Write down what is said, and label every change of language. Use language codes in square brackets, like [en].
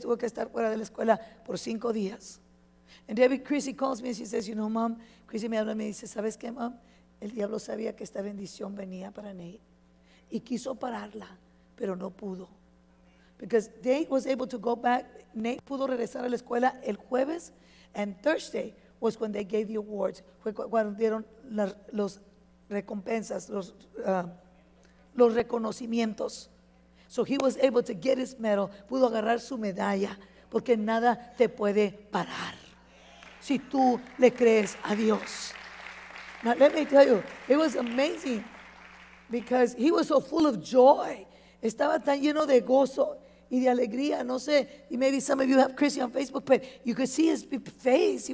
[es] Tuvo que estar fuera de la escuela por 5 días. [en] And David, Chrissy calls me and she says, "You know, Mom," [es] Chrissy me habla y me dice, "¿Sabes qué, Mom? El diablo sabía que esta bendición venía para Nate. Y quiso pararla, pero no pudo." [en] Because Nate was able to go back. [es] Nate pudo regresar a la escuela el jueves. [en] And Thursday was when they gave the awards. [es] Fue cuando dieron los recompensas, los reconocimientos. [en] So he was able to get his medal. [es] Pudo agarrar su medalla. Porque nada te puede parar si tú le crees a Dios. [en] Now let me tell you, it was amazing. Because he was so full of joy. [es] Estaba tan lleno de gozo y de alegría. No sé, y [en] maybe some of you have Chrissy on Facebook, but you could see his face.